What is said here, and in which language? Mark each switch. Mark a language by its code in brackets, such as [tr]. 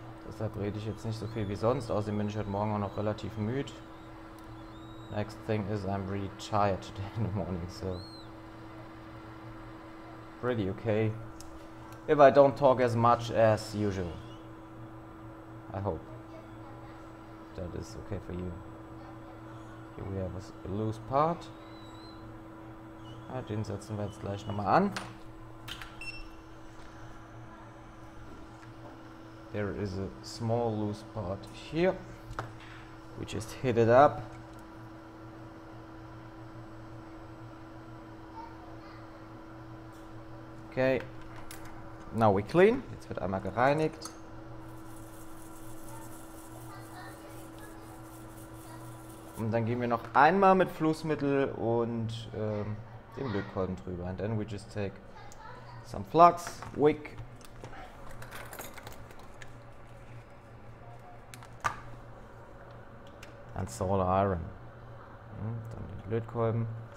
[de] Deshalb rede ich jetzt nicht so viel wie sonst. Außerdem bin ich heute Morgen auch noch relativ müde. [en] Next thing is I'm really tired today in the morning, so. Pretty okay. If I don't talk as much as usual. I hope that is okay for you. Here we have a loose part. [de] Ja, den setzen wir jetzt gleich nochmal an. [en] There is a small loose part here. We just hit it up. Okay. Now we clean. [de] Jetzt wird einmal gereinigt. Und dann gehen wir noch einmal mit Flussmittel und dem Lötkolben drüber. [en] And then we just take some flux, wick. And solar iron. [de] Und dann den Lötkolben.